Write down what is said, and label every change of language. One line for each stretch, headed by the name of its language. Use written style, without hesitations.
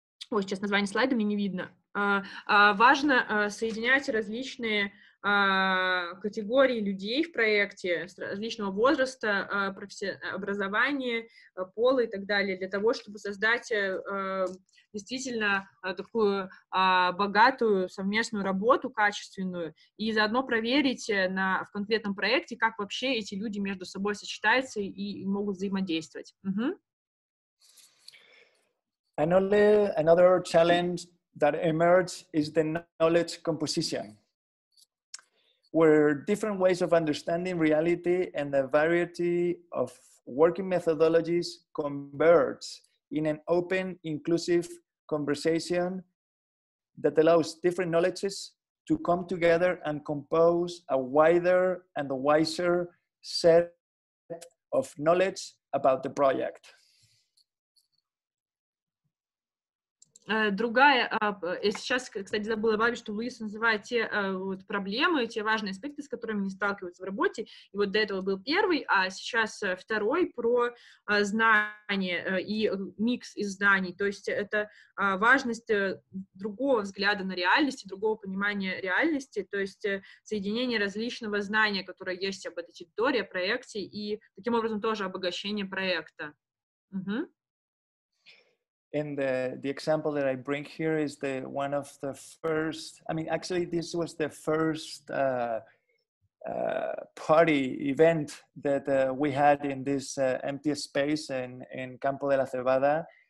Russian: Ой, сейчас название слайда мне не видно. Важно соединять различные категории людей в проекте различного возраста, образования, пола и так далее, для того, чтобы создать действительно такую богатую совместную работу, качественную, и заодно проверить в конкретном проекте, как вообще эти люди между собой сочетаются и могут взаимодействовать. Угу.
English: Another challenge that emerged is the knowledge composition, where different ways of understanding reality and the variety of working methodologies converge in an open, inclusive conversation that allows different knowledges to come together and compose a wider and wiser set of knowledge about the project.
Russian: Другая, я сейчас, кстати, забыла добавить, что Луис называет те вот проблемы, те важные аспекты, с которыми они сталкиваются в работе. И вот до этого был первый, а сейчас второй про знания и микс из знаний. То есть это важность другого взгляда на реальность, другого понимания реальности, то есть соединение различного знания, которое есть об этой территории, о проекте, и таким образом тоже обогащение проекта. Угу.
English: And the example that I bring here is the one of the first, I mean, actually, this was the first party event that we had in this empty space in Campo de la Cebada.